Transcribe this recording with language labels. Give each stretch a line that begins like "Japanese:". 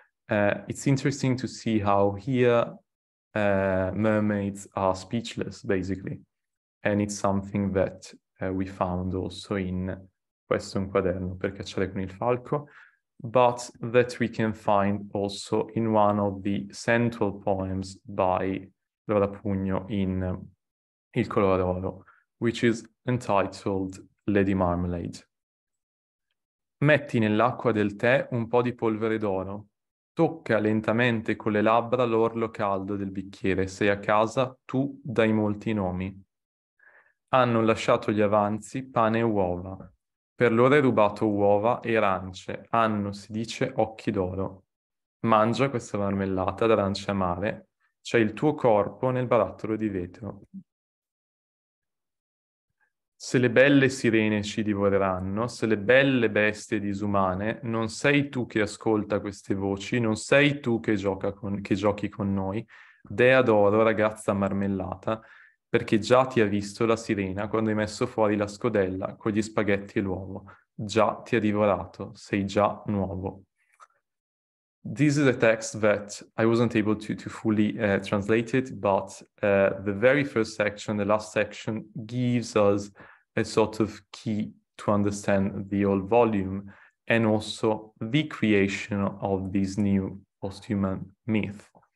English: It's interesting to see how here mermaids are speechless, basically, and it's something that we found also in Questo un quaderno per cacciare con il falco, but that we can find also in one of the central poems by Laura Pugno in Il Colore Oro, which is entitled Lady Marmalade.
Italian: Metti nell'acqua del tè un po' di polvere d'oro. Tocca lentamente con le labbra l'orlo caldo del bicchiere. Sei a casa, tu dai molti nomi. Hanno lasciato gli avanzi pane e uova. Per loro hai rubato uova e arance. Hanno, si dice, occhi d'oro. Mangia questa marmellata d'arance amare. C'è il tuo corpo nel barattolo di vetro. Se le belle sirene ci divoreranno, se le belle bestie disumane, non sei tu che ascolta queste voci, non sei tu che giochi con noi, dea d'oro, ragazza marmellata, perché già ti ha visto la sirena quando hai messo fuori la scodella con gli spaghetti e l'uovo. Già ti ha divorato, sei già nuovo.
English: This is a text that I wasn't able to fully translate it, but the very first section, the last section, gives us a sort of key to understand the whole volume and also the creation of this new posthuman myth.